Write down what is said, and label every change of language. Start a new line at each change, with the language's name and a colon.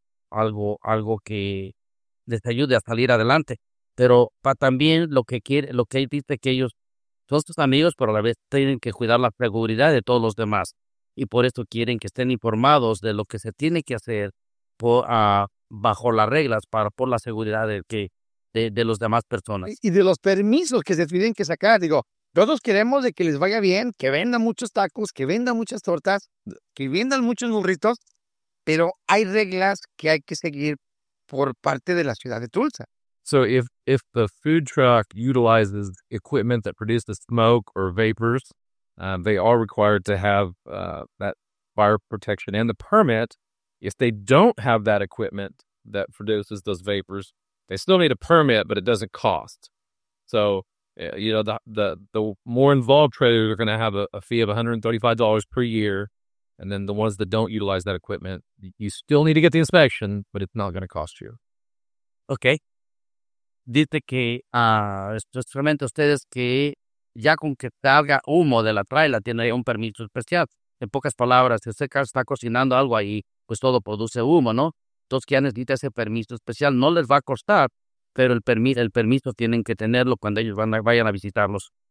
Spanish: algo que les ayude a salir adelante, pero también lo que dice que ellos son sus amigos, pero a la vez tienen que cuidar la seguridad de todos los demás y por esto quieren que estén informados de lo que se tiene que hacer bajo las reglas por la seguridad de los demás personas y de los permisos que se tienen que sacar. Digo, todos queremos de que les vaya bien, que vendan muchos tacos, que vendan muchas tortas, que vendan muchos burritos, pero hay reglas que hay que seguir por parte de la ciudad de Tulsa.
English: So if the food truck utilizes equipment that produces smoke or vapors, they are required to have that fire protection and the permit. If they don't have that equipment that produces those vapors, they still need a permit, but it doesn't cost. So, you know, the more involved traders are going to have a fee of $135 per year. And then the ones that don't utilize that equipment, you still need to get the inspection, but it's not going to cost you. Okay.
Spanish: Dice que, especialmente ustedes, que ya con que salga humo de la traila, tiene un permiso especial. En pocas palabras, si usted está cocinando algo ahí, pues todo produce humo, ¿no? Entonces, ya necesita ese permiso especial. No les va a costar. Pero el permiso tienen que tenerlo cuando ellos vayan a visitarlos.